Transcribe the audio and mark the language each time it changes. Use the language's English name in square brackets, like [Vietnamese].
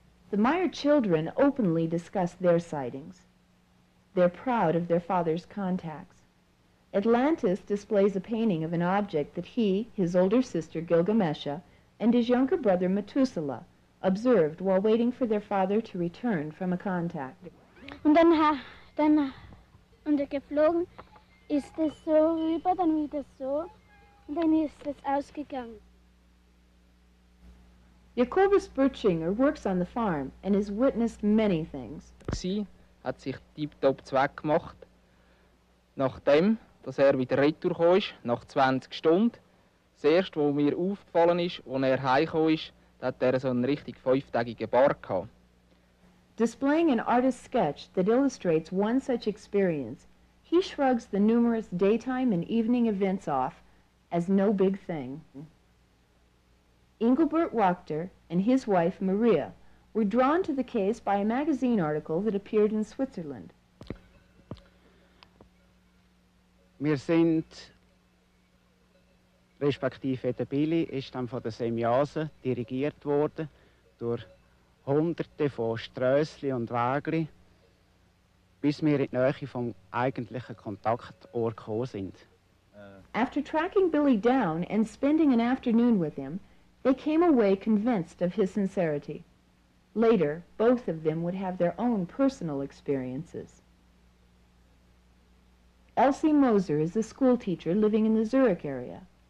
[English] The Meier children openly discuss their sightings. They're proud of their father's contacts. Atlantis displays a painting of an object that he, his older sister Gilgamesha, and his younger brother Methuselah observed while waiting for their father to return from a contact. [German] Und dann und er geflogen ist es so rüber, dann wieder so, und dann ist es ausgegangen. [English] Jakobus Bürtschinger works on the farm and has witnessed many things. [Swiss German] Gsi hat sich tiptop zweggemacht, nachdem, dass er wieder retour cho isch, nach 20 Stunden. Das erste, was mir aufgefallen ist, als er heimcho isch, hat er so einen richtig fünftägigen Bart gehabt. [English] Displaying an artist's sketch that illustrates one such experience, he shrugs the numerous daytime and evening events off as no big thing. Engelbert Wachter and his wife, Maria, were drawn to the case by a magazine article that appeared in Switzerland. [Swiss German] Wir sind, respektive der Billy, ist dann von der Semyaza dirigiert worden durch hunderte von Strössli und Wägli, bis wir in die Nähe vom eigentlichen Kontaktort gekommen sind. [English] After tracking Billy down and spending an afternoon with him, they came away convinced of his sincerity. Later, both of them would have their own personal experiences. Elsie Moser is a schoolteacher living in the Zurich area.